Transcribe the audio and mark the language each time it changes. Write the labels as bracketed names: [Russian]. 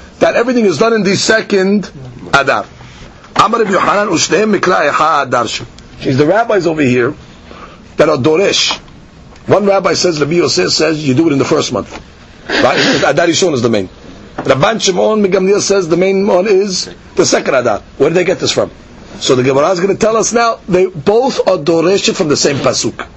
[English] That everything is done in the second Adar. [Hebrew] אמר רבי יוחנן, ושניהם מקרא אחד אדר שם. [English] She's the rabbis over here, that are דורש. One rabbi says, רבי יוסף says, you do it in the first month. Right? Adar ראשון is the main. Rabban Shimon Megamliel says the main one is the second Adar. Where did they get this from? So the Gemara is going to tell us now, they both are Doreshit from the same Pasuk.